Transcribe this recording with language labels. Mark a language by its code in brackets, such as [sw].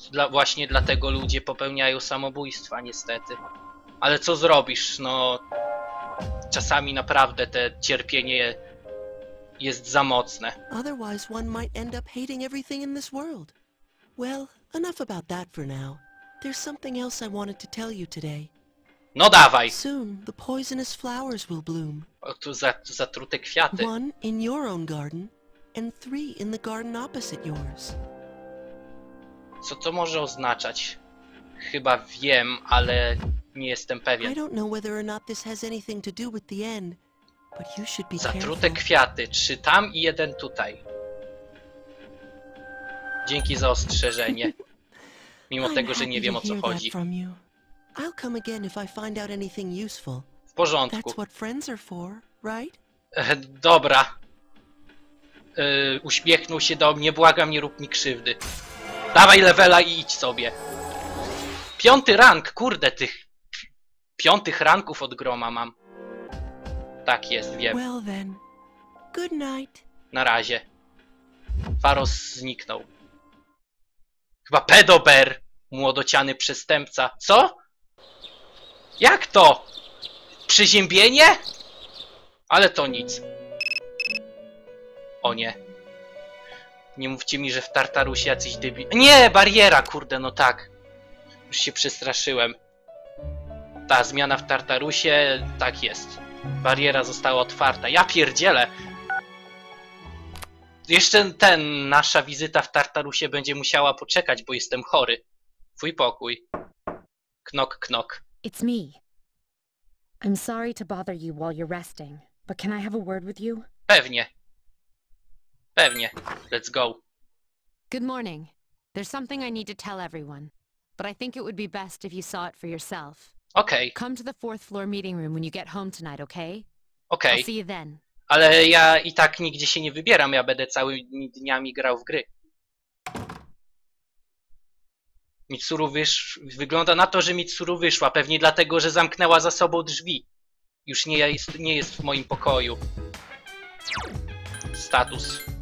[pl] Właśnie dlatego ludzie popełniają samobójstwa, niestety. Ale co zrobisz, no... Czasami naprawdę te cierpienie... jest za mocne. [en] Otherwise one might end up hating everything in this world. Well, enough about that for now. There's something else I wanted to tell you today. [pl] No dawaj. [en] Soon the poisonous flowers will bloom. [pl] O, tu zatrute kwiaty. [en] One in your own garden and three in the garden opposite yours. [pl] Co to może oznaczać? Chyba wiem, ale nie jestem pewien. [en] I don't know whether or not this has anything to do with the end. But you should be [pl] zatrute kwiaty, trzy tam i jeden tutaj. Dzięki za ostrzeżenie. Mimo tego, że nie wiem, o co chodzi. [en] I'll come again if I find out anything useful. [pl] W porządku. [en] That's what friends are for, right? [pl] Dobra. Uśmiechnął się do mnie, błagam, nie rób mi krzywdy. Dawaj levela i idź sobie. Piąty rank, kurde, tych piątych ranków od groma mam. Tak jest, wiem. [en] Well then. Good night. [pl] Na razie. Faros zniknął. Chyba pedober, młodociany przestępca. Co? Jak to? Przeziębienie? Ale to nic. O nie. Nie mówcie mi, że w Tartarusie jacyś debil... Nie, bariera, kurde, no tak. Już się przestraszyłem. Ta zmiana w Tartarusie, tak jest. Bariera została otwarta. Ja pierdzielę! Jeszcze ten, nasza wizyta w Tartarusie będzie musiała poczekać, bo jestem chory. Twój pokój. Knok, knok. [en] It's me. I'm sorry to bother you while you're resting, but can I have a word with you? [pl] Pewnie. Pewnie. [en] Let's go. Good morning. There's something I need to tell everyone, but I think it would be best if you saw it for yourself. Okay. Come to the fourth floor meeting room when you get home tonight, okay? Okay. I'll see you then. [pl] Ale ja i tak nigdzie się nie wybieram, ja będę całymi dniami grał w gry. Mitsuru wygląda na to, że Mitsuru wyszła, pewnie dlatego, że zamknęła za sobą drzwi. Już nie jest w moim pokoju. Status.